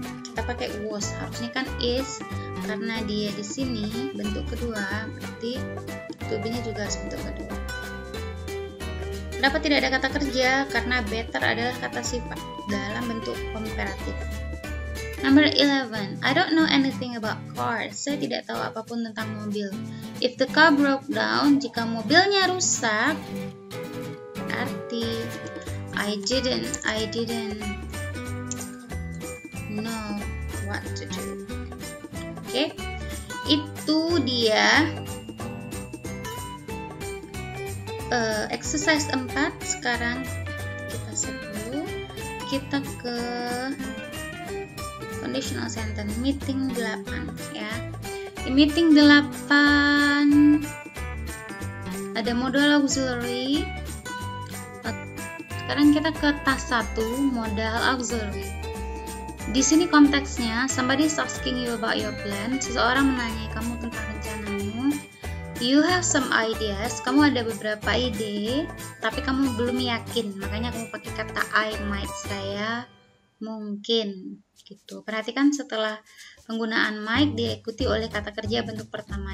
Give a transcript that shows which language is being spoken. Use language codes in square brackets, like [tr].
[id] Kita pakai was, harusnya kan is, karena dia di sini bentuk kedua, berarti to be-nya juga bentuk kedua. Kenapa tidak ada kata kerja? Karena better adalah kata sifat dalam bentuk komparatif. Number 11. [en] I don't know anything about cars. [id] Saya tidak tahu apapun tentang mobil. [en] If the car broke down, [id] jika mobilnya rusak, berarti [en] I didn't know what to do. [id] Oke. Okay. Itu dia. Exercise 4. Sekarang kita sebut kita ke conditional sentence meeting 8 ya. Di meeting 8 ada modal auxiliary. Sekarang kita ke task 1 modal auxiliary. Di sini konteksnya [en] somebody is asking you about your plan. [id] Seseorang menanyai kamu tentang rencanamu. [en] You have some ideas. [id] Kamu ada beberapa ide, tapi kamu belum yakin. Makanya kamu pakai kata [en] I might, [id] saya mungkin. Gitu. Perhatikan setelah penggunaan might diikuti oleh kata kerja bentuk pertama.